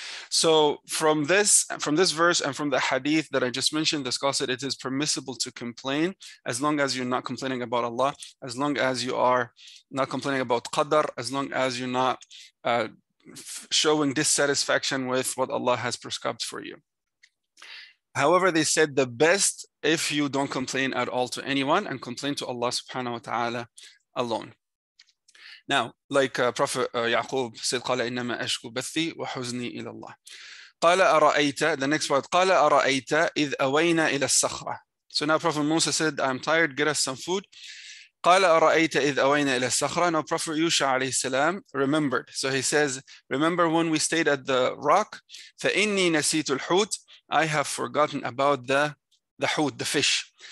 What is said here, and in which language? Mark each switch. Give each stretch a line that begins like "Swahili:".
English: So from this verse and from the hadith that I just mentioned, the scholar said it is permissible to complain as long as you're not complaining about Allah, as long as you are not complaining about Qadr, as long as you're not showing dissatisfaction with what Allah has prescribed for you. However, they said the best if you don't complain at all to anyone and complain to Allah subhanahu wa ta'ala alone. Now, like Prophet Yaqub said,
Arabic: قَالَ إِنَّمَا أَشْكُوا بَثِّي وَحُزْنِي إِلَى اللَّهِ قَالَ أَرَأَيْتَ,
English: the next word,
Arabic: قَالَ أَرَأَيْتَ إِذْ أَوَيْنَا إِلَى السَّخْرَةِ.
English: So now Prophet Musa said, I'm tired, get us some food.
Arabic: قَالَ أَرَأَيْتَ إِذْ أَوَيْنَا إِلَى السَّخْرَةِ.
English: Now Prophet Yusha alayhi salam remembered. So he says, remember when we stayed at the rock?
Arabic: فَإِنِّي نَسِيتُ الْحُوتِ,
English: I have forgotten about the hoot, the fish.